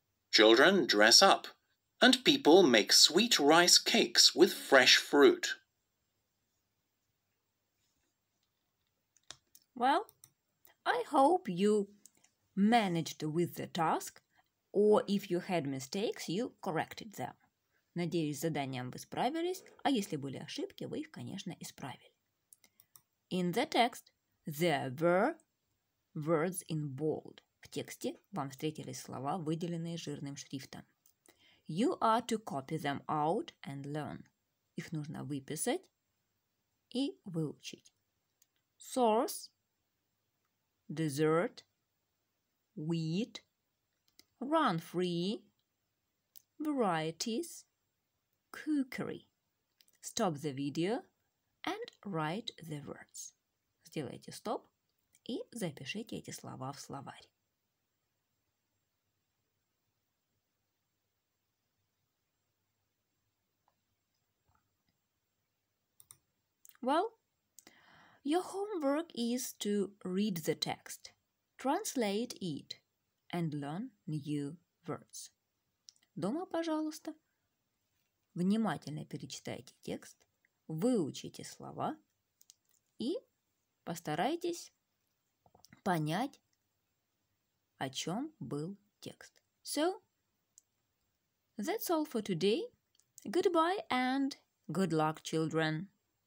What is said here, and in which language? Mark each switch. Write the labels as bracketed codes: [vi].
[en] Children dress up and people make sweet rice cakes with fresh fruit. Well, I hope you managed with the task, or if you had mistakes, you corrected them. [ru] Надеюсь, с заданием вы справились, а если были ошибки, вы их, конечно, исправили. [en] In the text, there were words in bold. [ru] В тексте вам встретились слова, выделенные жирным шрифтом. [en] You are to copy them out and learn. [ru] Их нужно выписать и выучить. [en] Source, dessert, wheat, run free, varieties, cookery. Stop the video and write the words. [ru] Сделайте стоп и запишите эти слова в словарь. [en] Well, your homework is to read the text, translate it, and learn new words. [ru] Дома, пожалуйста, внимательно перечитайте текст, выучите слова и постарайтесь понять, о чем был текст. [en] So, that's all for today. Goodbye and good luck, children!